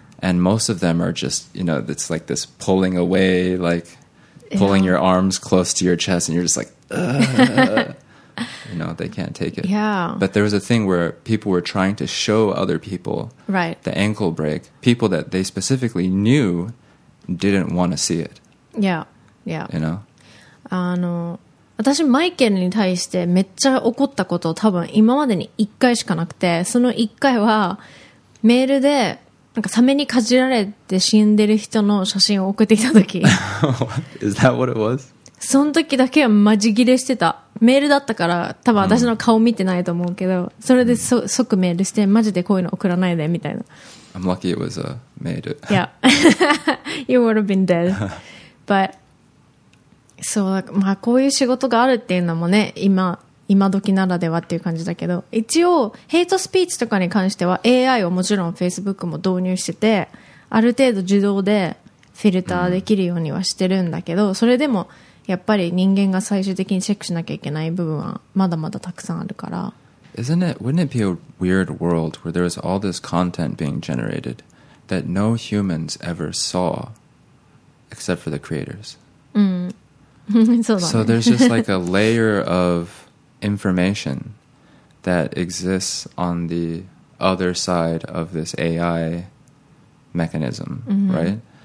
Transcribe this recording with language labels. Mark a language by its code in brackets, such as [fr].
[en] And most of them are just, you know, it's like this pulling away, like pulling your arms close to your chest. And you're just like, you know, they can't take it. Yeah. But there was a thing where people were trying to show other people right. the ankle break, people that they specifically knew didn't want to see it. Yeah, yeah. You know? [ja] 私マイケルに対してめっちゃ怒ったこと多分今までに1回しかなくて、その1回はメールでなんかサメにかじられて死んでる人の写真を送ってきた時 [en] Is that what it was? [ja] その時だけはマジギレしてた。メールだったから多分私の顔見てないと思うけど、それで即メールしてマジでこういうの送らないでみたいな。 [en] I'm lucky it was a maid. Yeah. You would have been dead. But, [ja] そう、まあ、こういう仕事があるっていうのもね、今時ならではっていう感じだけど、一応ヘイトスピーチとかに関しては AI をもちろん Facebook も導入してて、ある程度自動でフィルターできるようにはしてるんだけど、それでもやっぱり人間が最終的にチェックしなきゃいけない部分はまだまだたくさんあるから。 [en] Wouldn't it be a weird world where there is all this content being generated that no humans ever sawExcept for the creators. So there's just like a layer of information that exists on the other side of this AI mechanism, right?